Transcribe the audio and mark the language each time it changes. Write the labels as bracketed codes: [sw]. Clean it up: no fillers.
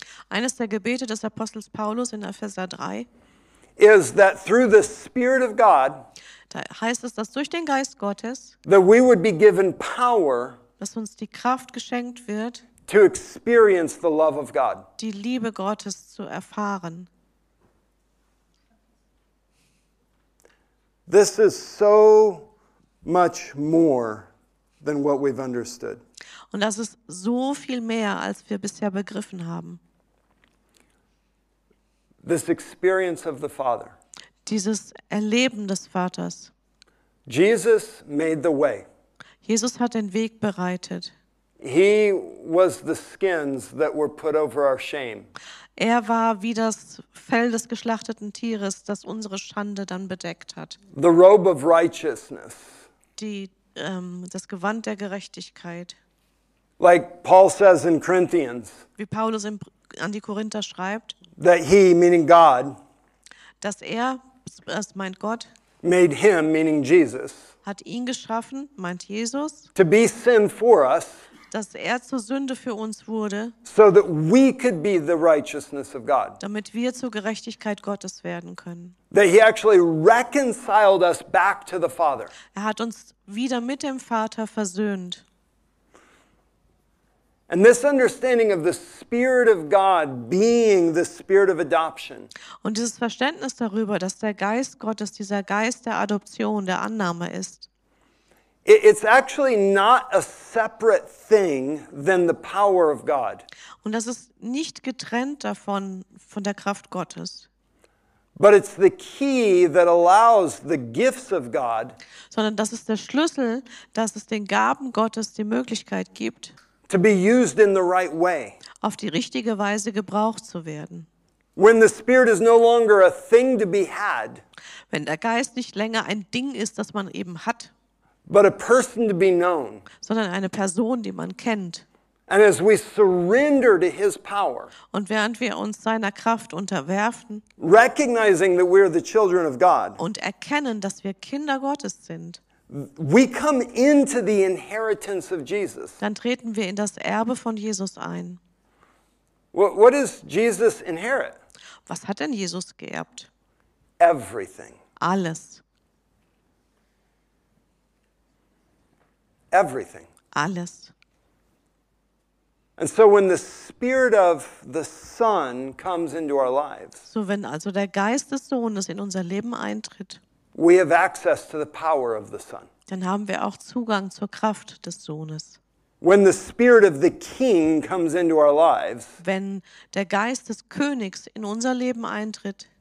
[de] Eines der Gebete des Apostels Paulus in Epheser 3 [en] is that through the Spirit of God, [de] Da heißt es, dass durch den Geist Gottes, [en] that we would be given power, [de] dass uns die Kraft geschenkt wird, [en] to experience the love of God. [de] Die Liebe Gottes zu erfahren. [en] This is so much more than what we've understood. [de] Und das ist so viel mehr, als wir bisher begriffen haben. [en] This experience of the Father. [de] Dieses Erleben des Vaters. [en] Jesus made the way. [de] Jesus hat den Weg bereitet. [en] He was the skins that were put over our shame. [de] Er war wie das Fell des geschlachteten Tieres, das unsere Schande dann bedeckt hat. [en] The robe of righteousness. [de] Das Gewand der Gerechtigkeit. [en] Like Paul says in Corinthians. [de] Wie Paulus an die Korinther schreibt. [en] That he, meaning God, [de] dass er, das meint Gott, [en] made him, meaning Jesus, [de] hat ihn geschaffen, meint Jesus, [en] to be sin for us, [de] dass er zur Sünde für uns wurde, [en] so that we could be the righteousness of God, [de] damit wir zur Gerechtigkeit Gottes werden können. [en] That he actually reconciled us back to the Father. [de] Er hat uns wieder mit dem Vater versöhnt. [en] And this understanding of the Spirit of God being the Spirit of adoption. [de] Und dieses Verständnis darüber, dass der Geist Gottes dieser Geist der Adoption, der Annahme ist. [en] It's actually not a separate thing than the power of God. [de] Und das ist nicht getrennt davon von der Kraft Gottes. [en] But it's the key that allows the gifts of God. [de] Sondern das ist der Schlüssel, dass es den Gaben Gottes die Möglichkeit gibt, [en] to be used in the right way. [de] Auf die richtige Weise gebraucht zu werden. [en] When the Spirit is no longer a thing to be had. [de] Wenn der Geist nicht länger ein Ding ist, das man eben hat. [en] But a person to be known. [de] Sondern eine Person, die man kennt. [en] And as we surrender to his power. [de] Und während wir uns seiner Kraft unterwerfen. [en] Recognizing that we are the children of God. [de] Und erkennen, dass wir Kinder Gottes sind. [en] We come into the inheritance of Jesus. [de] Dann treten wir in das Erbe von Jesus ein. [en] What does Jesus inherit? [de] Was hat denn Jesus geerbt? [en] Everything. [de] Alles. [en] Everything. [de] Alles. [en] And so when the Spirit of the Son comes into our lives. [de] So wenn also der Geist des Sohnes in unser Leben eintritt. [en] We have access to the power of the Son. [de] Dann haben wir auch Zugang zur Kraft des Sohnes. [en] When the Spirit of the King comes into our lives, [de] wenn der Geist des Königs in unser Leben eintritt,